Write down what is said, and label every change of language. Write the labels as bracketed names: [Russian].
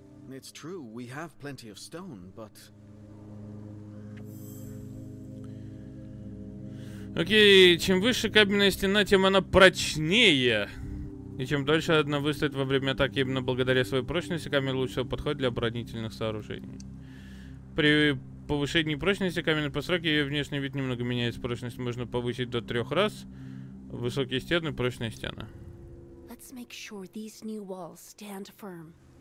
[English] It's true, we have plenty of stone, but... [Russian] Окей, чем выше каменная стена, тем она прочнее. И чем дольше она выстоит во время атаки, именно благодаря своей прочности, камень лучше подходит для оборонительных сооружений. При повышении прочности каменной постройки ее внешний вид немного меняется. Прочность можно повысить до 3 раз. Высокие стены, прочные стены. [English] Let's make sure these new walls stand firm.